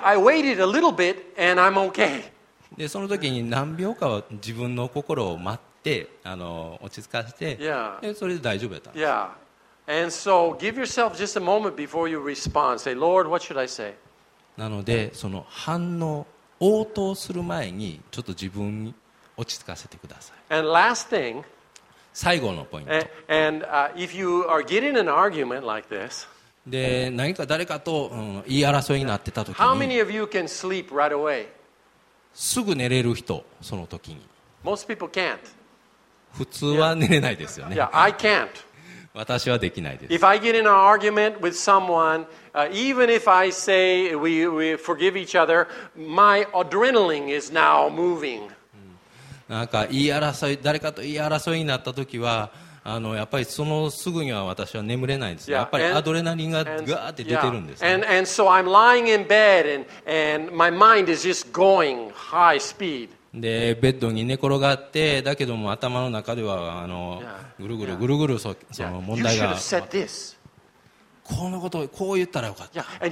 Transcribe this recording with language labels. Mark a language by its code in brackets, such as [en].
[en] I waited a little bit and I'm okay. [ja] でその時に何秒かは自分の心を待って、で落ち着かせて、それで大丈夫だったんです。 [en] Yeah. And so give yourself just a moment before you respond. Say, Lord, what should I say? [ja] なのでその反応、応答する前にちょっと自分に落ち着かせてください。 [en] And last thing, [ja] 最後のポイント。 [en] If you are getting an argument like this, [ja] で何か誰かと、言い争いになってた時に、 [en] How many of you can sleep right away? [ja] すぐ寝れる人、その時に。 [en] Most people can't. [ja] 普通は寝れないですよね。 [en] I can't. [ja] 私はできないです。 [en] If I get in an argument with someone, even if I say we forgive each other, my adrenaline is now moving. [ja] なんか誰かと言い争いになった時はやっぱりそのすぐには私は眠れないんです。やっぱりアドレナリンがガーって出てるんです。 [en] And so I'm lying in bed and my mind is just going high speed. [ja] でベッドに寝転がって、だけども頭の中ではぐるぐるぐるぐるその問題が、このことをこう言ったらよかった。